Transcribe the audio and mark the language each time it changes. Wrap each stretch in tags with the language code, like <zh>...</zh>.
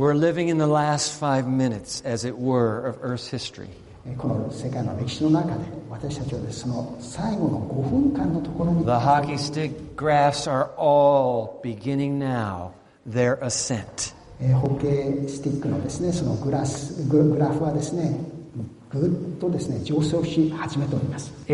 <en>We're living in the last five minutes, as it were, of Earth's history.</en> <ja>この世界の歴史の中で私たちはですね、最後の5分間のところに</ja> <en>The hockey stick graphs are all beginning now their ascent.</en> <ja>ホッケースティックのですね、そのグラフはですね、ぐっとですね、上昇し始めております。</ja>